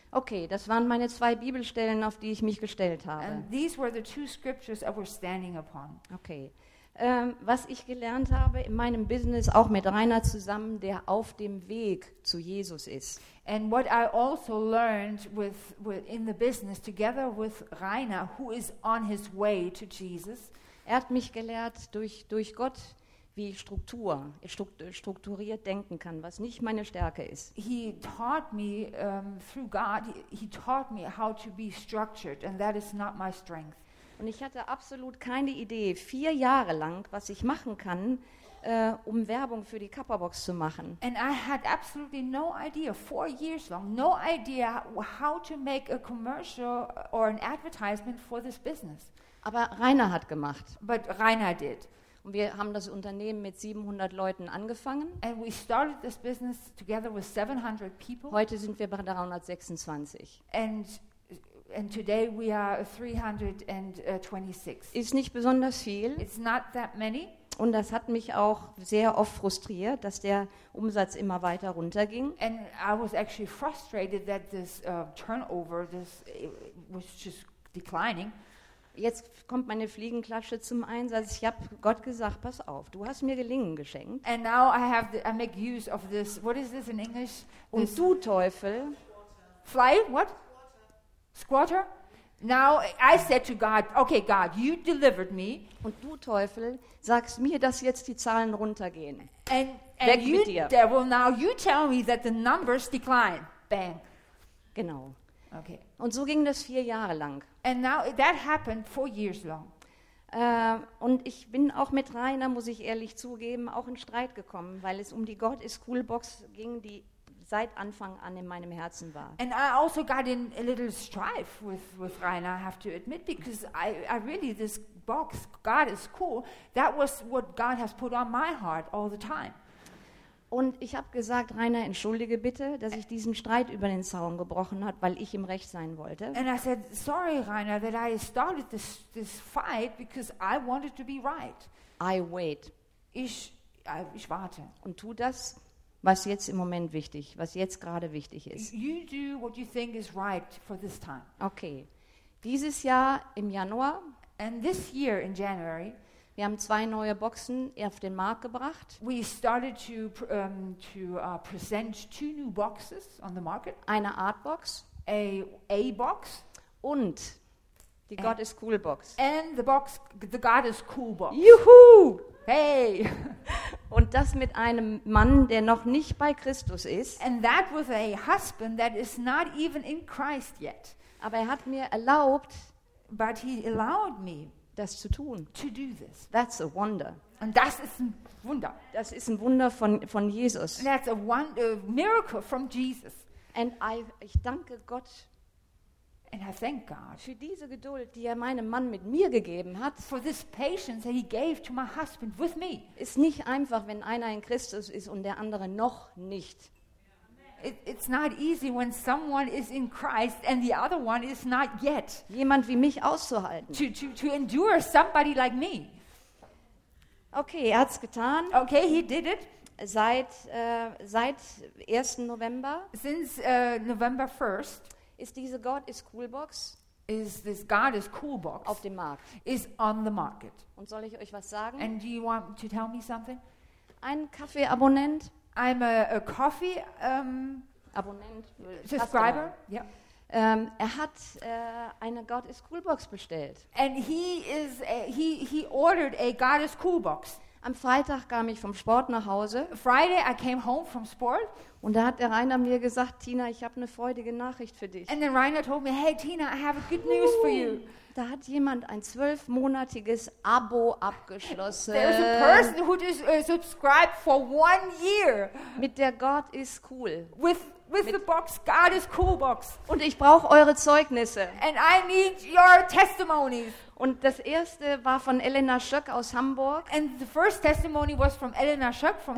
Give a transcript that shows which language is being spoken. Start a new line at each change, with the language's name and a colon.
German: Okay, das waren meine zwei Bibelstellen, auf die ich mich gestellt habe.
English: And these were the two scriptures I was standing upon.
German: Okay, Was ich gelernt habe in meinem Business auch mit Rainer zusammen, der auf dem Weg zu Jesus ist.
English: And what I also learned with in the business together with Rainer, who is on his way to Jesus.
German: Er hat mich gelehrt durch Gott, wie ich strukturiert denken kann, was nicht meine Stärke ist.
English: He taught me through God. He taught me how to be structured, and that is not my strength.
German: Und ich hatte absolut keine Idee, 4 Jahre lang, was ich machen kann, um Werbung für die Kappa-Box zu machen.
English: And I had absolutely no idea, 4 years long, no idea how to make a commercial or an advertisement for this business.
German: Aber Rainer hat gemacht.
English: But Rainer did.
German: Und wir haben das Unternehmen mit 700 Leuten angefangen.
English: And we started this business together with 700 people.
German: Heute sind wir bei 326.
English: And today we are 326.
German: Ist nicht besonders viel.
English: It's not that many.
German: Und das hat mich auch sehr oft frustriert, dass der Umsatz immer weiter runterging.
English: And I was actually frustrated that this turnover this was just declining.
German: Jetzt kommt meine Fliegenklatsche zum Einsatz. Ich habe Gott gesagt, pass auf, du hast mir Gelingen geschenkt.
English: And now I make use of this. What is this in English?
German: Und du Teufel,
English: fly what? Squatter. Now I said to God, okay, God, you delivered me.
German: Und du Teufel, sagst mir, dass jetzt die Zahlen runtergehen.
English: And you,
German: mit dir.
English: Devil, now you tell me that the numbers decline. Bang.
German: Genau. Okay. Und so ging das 4 Jahre lang.
English: And now that happened 4 years long.
German: Und ich bin auch mit Rainer, muss ich ehrlich zugeben, auch in Streit gekommen, weil es um die God is Cool Box ging, die seit Anfang an in meinem Herzen war.
English: And I also got in a little strife with Rainer, I have to admit, because I really, this box, God is cool, that was what God has put on my heart all the time.
German: Und ich habe gesagt, Rainer, entschuldige bitte, dass ich diesen Streit über den Zaun gebrochen habe, weil ich im Recht sein wollte.
English: And I said, sorry, Rainer, that I started this fight because I wanted to be right. I wait.
German: Ich warte. Und tu das, was jetzt im Moment wichtig, was jetzt gerade wichtig ist.
English: You do what you think is right for this time.
German: Okay. Dieses Jahr im Januar.
English: And this year in January.
German: Wir haben 2 neue Boxen auf den Markt gebracht.
English: We started to present 2 new boxes on the market.
German: Eine Artbox.
English: A box.
German: Und die God is Cool Box.
English: And the box, the God is Cool Box.
German: Juhu!
English: Hey!
German: Und das mit einem Mann, der noch nicht bei Christus ist.
English: And that with a husband that is not even in Christ yet.
German: Aber er hat mir erlaubt,
English: but he allowed me,
German: das zu tun.
English: To do this. That's a wonder.
German: Und das ist ein Wunder. Das ist ein Wunder von Jesus.
English: And that's a miracle from Jesus.
German: And ich danke Gott.
English: And I thank God
German: für diese Geduld, die er meinem Mann mit mir gegeben hat.
English: For this patience that he gave to my husband with me.
German: Ist nicht einfach, wenn einer in Christus ist und der andere noch nicht.
English: It's not easy when someone is in Christ and the other one is not yet.
German: Jemand wie mich auszuhalten.
English: To endure somebody like me.
German: Okay, er hat's getan.
English: Okay, he did it.
German: Seit 1. November.
English: Since November 1st.
German: Ist diese God is Cool Box?
English: Is this God is Cool Box?
German: Auf dem Markt.
English: Is on the market.
German: Und soll ich euch was sagen?
English: And do you want to tell me something?
German: Ein Kaffeeabonnent.
English: I'm a coffee
German: Abonnent.
English: Subscriber.
German: Ja.
English: Yeah.
German: Er hat eine God is Cool Box bestellt.
English: And he ordered a God is Cool Box.
German: Am Freitag kam ich vom Sport nach Hause.
English: Friday I came home from sport.
German: Und da hat der Rainer mir gesagt, Tina, ich habe eine freudige Nachricht für dich.
English: And then Rainer told me, hey Tina, I have a good news for you.
German: Da hat jemand ein 12-monatiges Abo abgeschlossen.
English: There's a person who just subscribed for 1 year.
German: Mit der God is cool.
English: With the box, God is cool box.
German: Und ich brauche eure Zeugnisse.
English: And I need your testimonies.
German: Und das erste war von Elena Schöck aus Hamburg.
English: And the first testimony was from Elena Schöck from